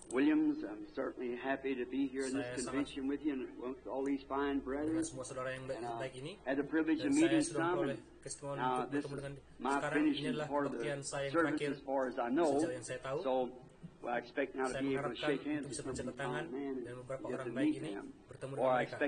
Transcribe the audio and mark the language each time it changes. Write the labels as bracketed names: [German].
[English] Williams, I'm certainly happy to be here in this convention with you and all these fine brethren. [Indonesian] Semua saudara yang baik ini. [English] Had the privilege of meeting some. [Indonesian] Saya sudah bertemu dengan. Sekarang inilah bagian saya terakhir. Sejauh yang saya tahu. [English] So, well, I expect now to be able to shake hands with some [Indonesian] tangan dan beberapa orang baik ini bertemu dengan mereka.